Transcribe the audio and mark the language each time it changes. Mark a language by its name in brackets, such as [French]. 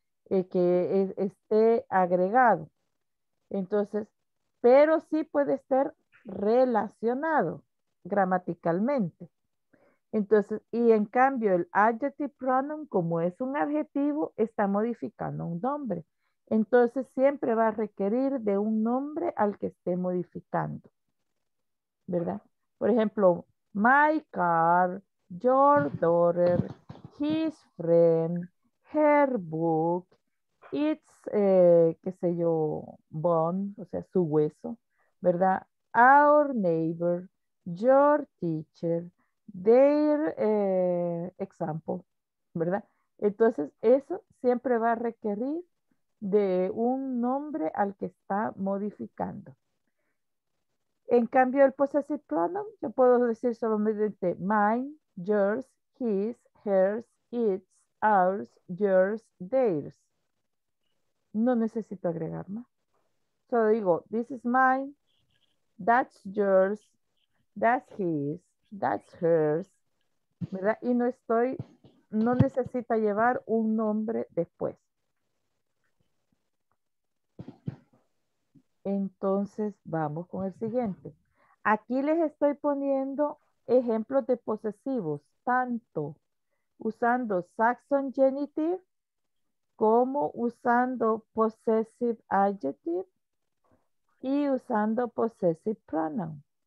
[Spanish] Que esté agregado. Entonces, pero sí puede estar relacionado gramaticalmente. Entonces, y en cambio, el adjective pronoun, como es un adjetivo, está modificando un nombre. Entonces, siempre va a requerir de un nombre al que esté modificando. ¿Verdad? Por ejemplo, [English] my car, your daughter, his friend, her book, its, bone, [Spanish] o sea, su hueso, ¿verdad? [English] Our neighbor, your teacher, their example, [Spanish] ¿verdad? Entonces, eso siempre va a requerir de un nombre al que está modificando. En cambio, el [English] possessive pronoun, [Spanish] yo puedo decir solamente [English] mine, yours, his, hers, its, ours, yours, theirs. [Spanish] No necesito agregar más. Solo digo, [English] this is mine, that's yours, that's his, that's hers, [Spanish] ¿verdad? Y no estoy, no necesita llevar un nombre después. Entonces, vamos con el siguiente. Aquí les estoy poniendo ejemplos de posesivos, tanto usando Saxon genitive como usando possessive adjective y usando possessive pronoun.